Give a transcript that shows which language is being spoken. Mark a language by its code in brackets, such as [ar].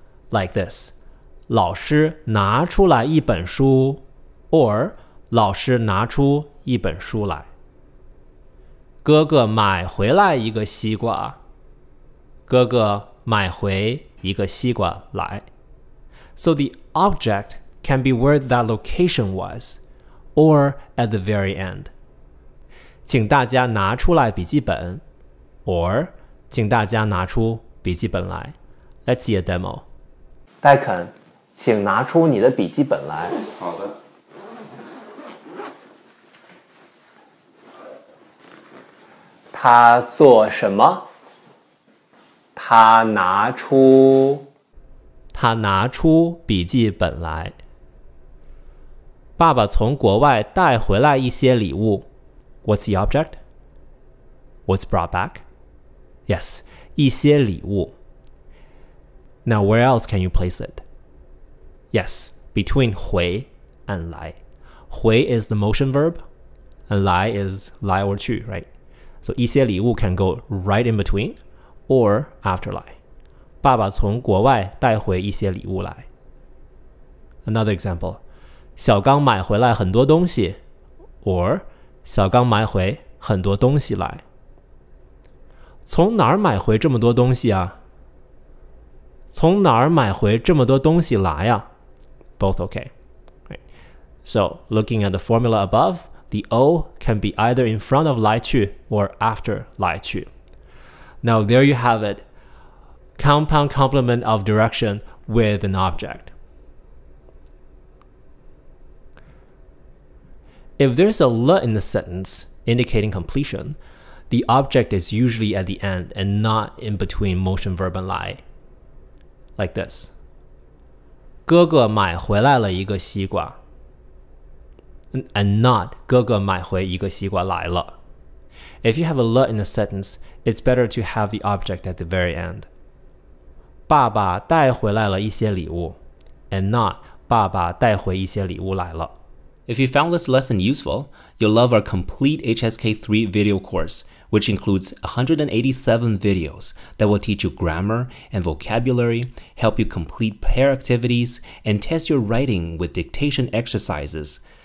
[en] Like this, [zh] 老师拿出来一本书 or 老师拿出一本书来。哥哥买回来一个西瓜。哥哥买回一个西瓜来。 [en] So the object can be where that location was, or at the very end. [zh] 请大家拿出来笔记本 or 请大家拿出笔记本来。 [en] Let's see a demo. [zh] 戴肯，请拿出你的笔记本来。好的。他做什么？他拿出笔记本来。爸爸从国外带回来一些礼物。 [en] What's the object? What's brought back? Yes, [zh] 一些礼物。 [en] Now where else can you place it? Yes, between 回 and 来。回 is the motion verb, and 来 is 来 or 去, right? So [zh] 一些礼物 [en] can go right in between,or after 来。 [zh] 爸爸从国外带回一些礼物来。 [en] Another example, [zh] 小刚买回来很多东西 or 小刚买回很多东西来。从哪儿买回这么多东西啊？从哪儿买回这么多东西来啊？ [en] Both okay. Right. So, looking at the formula above, the O can be either in front of 来去 or after 来去。 Now there you have it, compound complement of direction with an object. If there's a le in the sentence indicating completion, the object is usually at the end and not in between motion verb and 来. Like this. [zh] 哥哥买回来了一个西瓜. [en] And not [zh] 哥哥买回一个西瓜来了. [en] If you have a le in the sentence,It's better to have the object at the very end. [zh] 爸爸带回来了一些礼物 and not 爸爸带回一些礼物来了。 [en] If you found this lesson useful, you'll love our complete HSK 3 video course, which includes 187 videos that will teach you grammar and vocabulary, help you complete pair activities, and test your writing with dictation exercises.